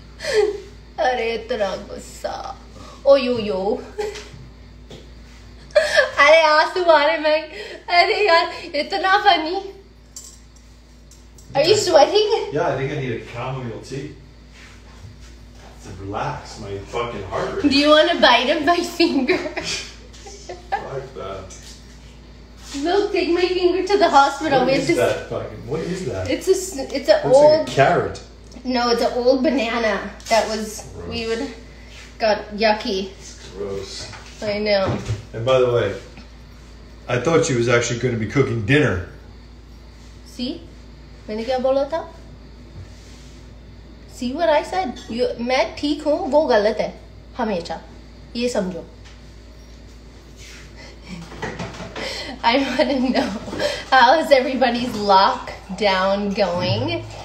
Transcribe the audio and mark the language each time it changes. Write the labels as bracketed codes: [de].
[hi] अरे इतना गुस्सा। Oyoyo. अरे आँसू आ रहे हैं। अरे यार, इतना funny. [en] Are you sweating? Yeah, I think I need a chamomile tea. To relax my fucking heart rate. Do you want a bite of my finger? Like that. Look, take my finger to the hospital. What is that fucking, what is that? It's a looks old... like a carrot. No, it's an old banana that was, gross. We would, got yucky. It's gross. I know. And by the way, I thought she was actually going to be cooking dinner. See? [hi] मैंने क्या बोला था? [en] See what I said? [hi] You, मैं ठीक हूँ, वो गलत है। हमेशा। ये समझो। [en] I want to know, how is everybody's lockdown going?